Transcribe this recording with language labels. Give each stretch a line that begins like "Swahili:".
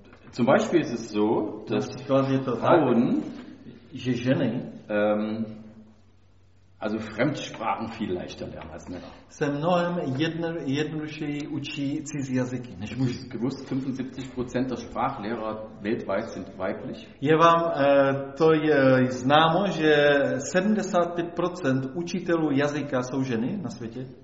German: Zum Beispiel ist es so, dass Frauen,
Czech: že ženy,
German: also Fremdsprachen viel leichter lernen als Männer.
Czech: Se mnohem jednodušeji učí cizí jazyky než muži.
German: Ist gewusst, 75% der Sprachlehrer weltweit sind weiblich.
Czech: Je vám to je známo, že 75% učitelů jazyka jsou ženy na světě?